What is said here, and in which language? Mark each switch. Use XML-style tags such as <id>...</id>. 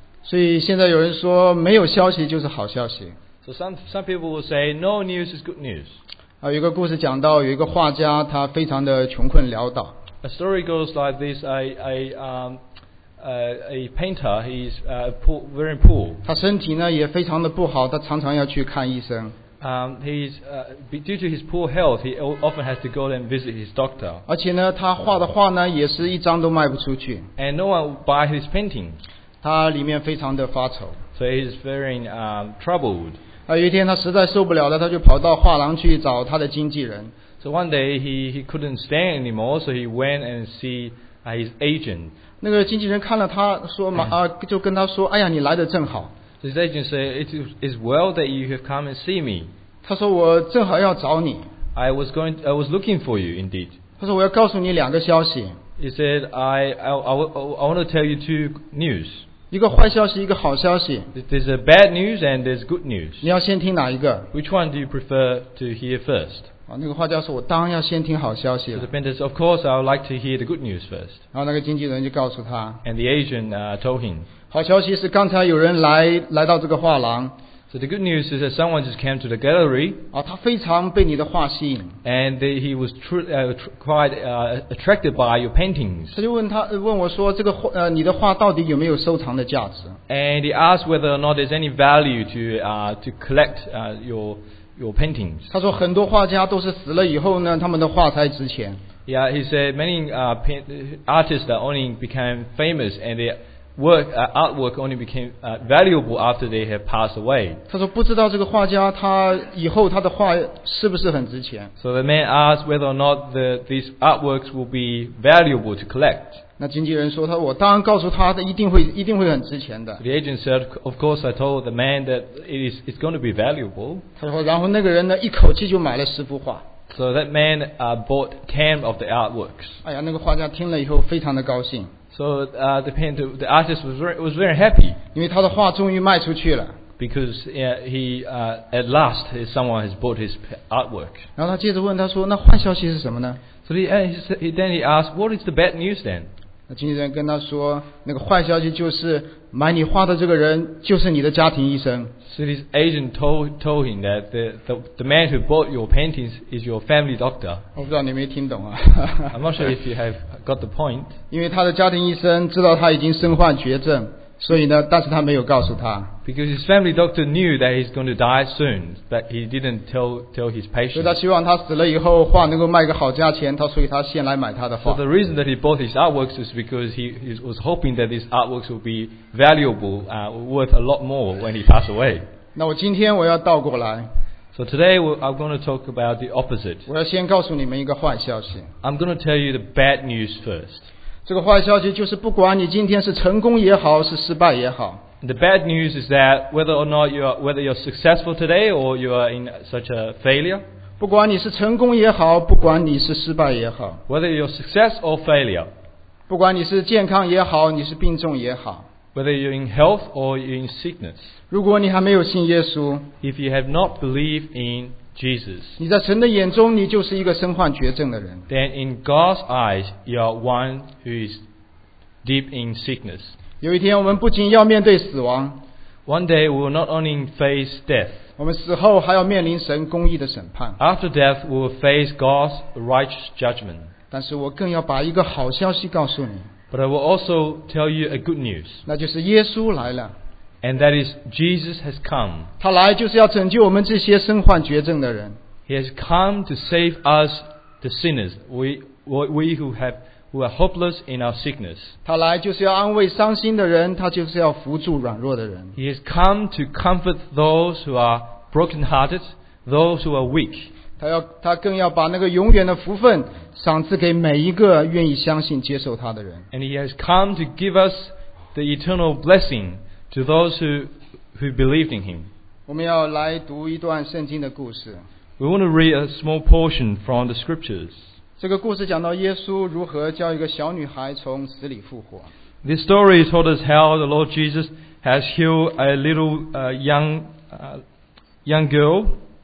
<zh>所以现在有人说没有消息就是好消息。</zh> <en>So some people will say no news is good news.</en> <zh>有一个故事讲到有一个画家他非常的穷困潦倒。</zh> <en>A story goes like this: a painter he's very poor.</en> <zh>他身体呢也非常的不好，他常常要去看医生。</zh> <en>Due to his poor health, he often has to go and visit his doctor.</en> <zh>而且呢，他画的画呢也是一张都卖不出去。</zh> <en>And no one buy his painting.</en> <zh>他里面非常的发愁。</zh> <en>So he's very troubled.</en> <zh>有一天他实在受不了了，他就跑到画廊去找他的经纪人。</zh> <en>So one day he couldn't stand anymore, so he went and see his agent.</en> <zh>那个经纪人看了他说嘛，就跟他说，哎呀，你来得正好。</zh> <en>So his agent said, it is well that you have come and see me.</en> <zh>他说我正好要找你。</zh> <en>I was looking for you indeed.</en> <zh>他说我要告诉你两个消息。</zh> <en>He said, I want to tell you two news.</en> <zh>一个坏消息，一个好消息。</zh> <en>There's a bad news and there's good news.</en> <zh>你要先听哪一个？</zh> <en>Which one do you prefer to hear first?</en> <zh>那个画家说，我当然要先听好消息了。</zh> <en>So the painter said, of course, I would like to hear the good news first.</en> <zh>然后那个经纪人就告诉他。</zh> <en>And the agent told him.</en> <zh>好消息是刚才有人来到这个画廊。</zh> <en>So the good news is that someone just came to the gallery.</en> <zh>他非常被你的画吸引。</zh> <en>And he was quite attracted by your paintings.</en> <zh>他就问我说，这个你的画到底有没有收藏的价值？</zh> <en>And he asked whether or not there's any value to collect your paintings.</en> <zh>他说很多画家都是死了以后呢，他们的画才值钱。</zh> <en>Yeah, he said many artists that only became famous and they work, artwork only became valuable after they have passed away.</en> <zh>他说不知道这个画家他以后他的画是不是很值钱。</zh> <en>So the man asked whether or not these artworks will be valuable to collect.</en> <zh>那经纪人说他我当然告诉他一定会很值钱的。</zh> <en>The agent said, of course I told the man that it's going to be valuable.</en> <zh>他说然后那个人呢一口气就买了十幅画。</zh> <en>So that man bought 10 of the artworks.</en> <zh>哎呀那个画家听了以后非常的高兴。</zh> <en>So the artist was very happy.</en> <zh>因为他的画终于卖出去了。</zh> <en>Because at last someone has bought his artwork.</en> <zh>然后他接着问他说那坏消息是什么呢？</zh> <en>So he asked, what is the bad news then?</en> <zh>那经纪人跟他说那个坏消息就是买你画的这个人就是你的家庭医生。</zh> <en>So his agent told him that the man who bought your paintings is your family doctor.</en> <zh>我不知道你没听懂啊。</zh> <en>I'm not sure if you have got the point.</en> <zh>因为他的家庭医生知道他已经身患绝症，所以呢，但是他没有告诉他。</zh> <en>Because his family doctor knew that he's going to die soon, but he didn't tell his patient.</en> <zh>所以他希望他死了以后画能够卖个好价钱，他所以他先来买他的画。</zh> <en>So the reason that he bought his artworks is because he was hoping that these artworks would be valuable, worth a lot more when he passed away.</en> <zh>那我今天我要倒过来。</zh> <en>So today I'm going to talk about the opposite.</en> <zh>我要先告诉你们一个坏消息。</zh> <en>I'm going to tell you the bad news first.</en> <zh>这个坏消息就是不管你今天是成功也好是失败也好</zh> <en>The bad news is that whether or not you're successful today or you are in such a failure</en> <zh>不管你是成功也好不管你是失败也好</zh> <en>Whether you're success or failure</en> <zh>不管你是健康也好你是病重也好</zh> <en>Whether you're in health or you're in sickness</en> <zh>如果你还没有信耶稣</zh> <en>If you have not believed in Jesus</en> <zh>你在神的眼中你就是一个身患绝症的人</zh> <en>Then in God's eyes you are one who is deep in sickness</en> <zh>有一天我们不仅要面对死亡</zh> <en>One day we will not only face death</en> <zh>我们死后还要面临神公义的审判</zh> <en>After death we will face God's righteous judgment</en> <zh>但是我更要把一个好消息告诉你</zh> <en>But I will also tell you a good news</en> <zh>那就是耶稣来了</zh> <en>And that is Jesus has come.</en> <zh>他来就是要拯救我们这些身患绝症的人。</zh> <en>He has come to save us, the sinners, we who are hopeless in our sickness.</en> <zh>他来就是要安慰伤心的人，他就是要扶助软弱的人。</zh> <en>He has come to comfort those who are broken-hearted, those who are weak.</en> <zh>他更要把那个永远的福分赏赐给每一个愿意相信接受他的人。</zh> <en>And he has come to give us the eternal blessing. To those who believed in him. We want to read a small portion from the scriptures. This story told us how the Lord Jesus has healed a little young girl.</en>